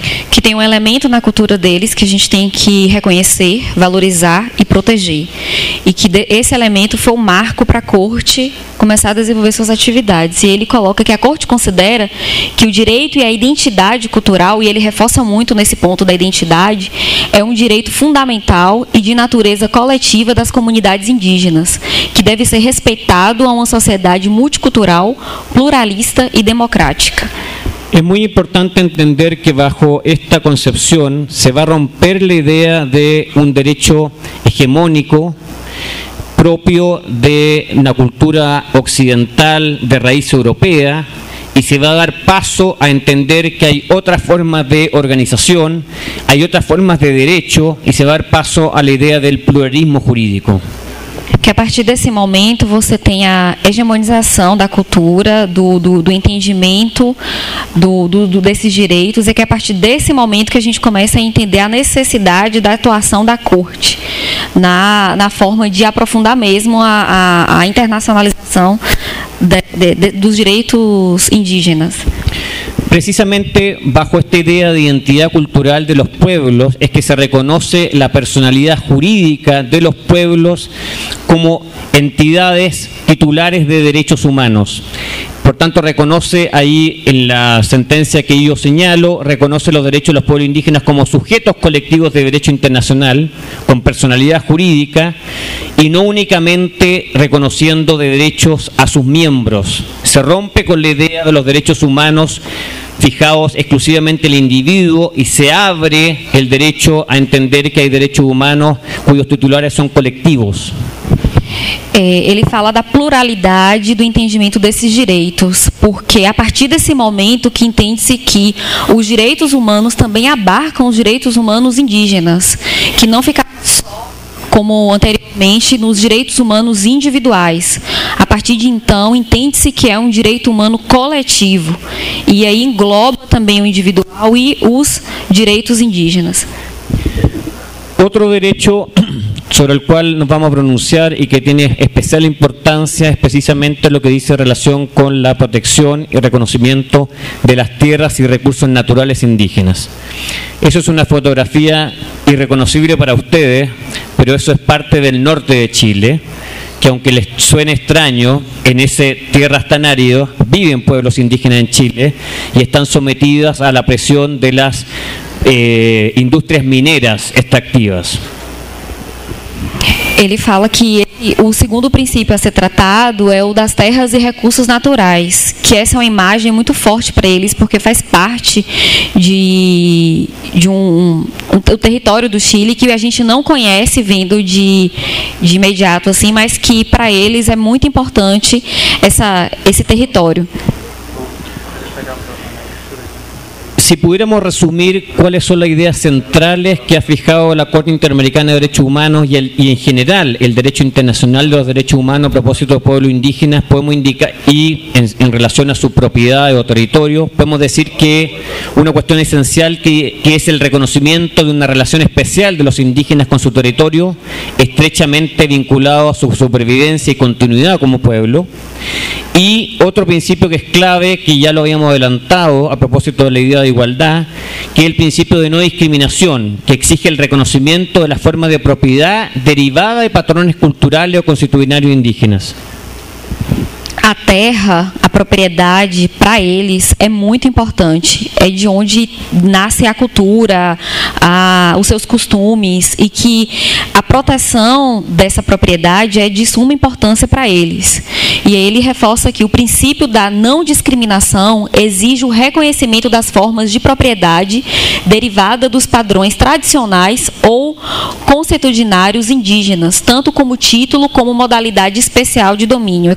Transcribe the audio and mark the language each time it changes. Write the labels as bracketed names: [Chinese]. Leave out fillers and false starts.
[Portuguese] Que tem um elemento na cultura deles que a gente tem que reconhecer, valorizar e proteger. E que esse elemento foi o marco para a Corte começar a desenvolver suas atividades. E ele coloca que a Corte considera que o direito e a identidade cultural, e ele reforça muito nesse ponto da identidade, é um direito fundamental e de natureza coletiva das comunidades indígenas, que deve ser respeitado a uma sociedade multicultural, pluralista e democrática. [Spanish] Es muy importante entender que bajo esta concepción se va a romper la idea de un derecho hegemónico propio de una cultura occidental de raíz europea y se va a dar paso a entender que hay otras formas de organización, hay otras formas de derecho y se va a dar paso a la idea del pluralismo jurídico. [Portuguese] Que a partir desse momento você tem a hegemonização da cultura, do entendimento desses direitos, e que a partir desse momento que a gente começa a entender a necessidade da atuação da Corte na forma de aprofundar mesmo a internacionalização dos direitos indígenas. [Spanish] Precisamente bajo esta idea de identidad cultural de los pueblos es que se reconoce la personalidad jurídica de los pueblos como entidades titulares de derechos humanos. Por tanto, reconoce ahí en la sentencia que yo señalo, reconoce los derechos de los pueblos indígenas como sujetos colectivos de derecho internacional, con personalidad jurídica, y no únicamente reconociendo de derechos a sus miembros. Se rompe con la idea de los derechos humanos fijados exclusivamente el individuo y se abre el derecho a entender que hay derechos humanos cuyos titulares son colectivos. [Portuguese] Ele fala da pluralidade do entendimento desses direitos, porque a partir desse momento que entende-se que os direitos humanos também abarcam os direitos humanos indígenas, que não fica só, como anteriormente, nos direitos humanos individuais. A partir de então, entende-se que é um direito humano coletivo, e aí engloba também o individual e os direitos indígenas. Outro direito [Spanish] sobre el cual nos vamos a pronunciar y que tiene especial importancia es precisamente lo que dice en relación con la protección y reconocimiento de las tierras y recursos naturales indígenas. Eso es una fotografía irreconocible para ustedes, pero eso es parte del norte de Chile, que aunque les suene extraño, en ese tierras tan árido viven pueblos indígenas en Chile y están sometidas a la presión de las industrias mineras extractivas. [Portuguese] Ele fala que o segundo princípio a ser tratado é o das terras e recursos naturais, que essa é uma imagem muito forte para eles, porque faz parte de um território do Chile que a gente não conhece vindo de imediato, assim, mas que para eles é muito importante esse território. [Spanish] Si pudiéramos resumir cuáles son las ideas centrales que ha fijado la Corte Interamericana de Derechos Humanos y, en general el derecho internacional de los derechos humanos a propósito del pueblo indígena, podemos indicar, y en relación a su propiedad o territorio, podemos decir que una cuestión esencial que es el reconocimiento de una relación especial de los indígenas con su territorio, estrechamente vinculado a su supervivencia y continuidad como pueblo. Y otro principio que es clave, que ya lo habíamos adelantado a propósito de la idea de igualdad, que es el principio de no discriminación, que exige el reconocimiento de las formas de propiedad derivada de patrones culturales o constitucionarios indígenas. [Portuguese] A terra, a propriedade, para eles é muito importante. É de onde nasce a cultura, os seus costumes, e que a proteção dessa propriedade é de suma importância para eles. E ele reforça que o princípio da não discriminação exige o reconhecimento das formas de propriedade derivada dos padrões tradicionais ou consuetudinários indígenas, tanto como título como modalidade especial de domínio.